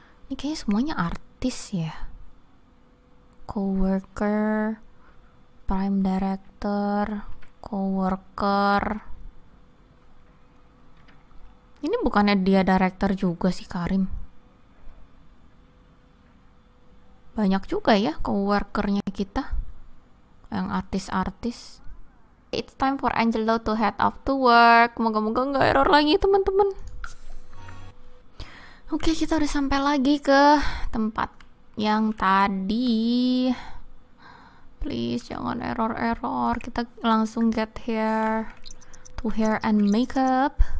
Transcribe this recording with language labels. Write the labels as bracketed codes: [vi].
[id] Ini kayaknya semuanya artis ya. Coworker, prime director, coworker. Ini bukannya dia director juga sih, Karim? Banyak juga ya coworkernya kita yang artis-artis. [en] It's time for Angelo to head off to work. [id] Moga-moga nggak error lagi, teman-teman. Oke, kita udah sampai lagi ke tempat yang tadi. Please, jangan error-error. Kita langsung [en] get hair to hair and makeup.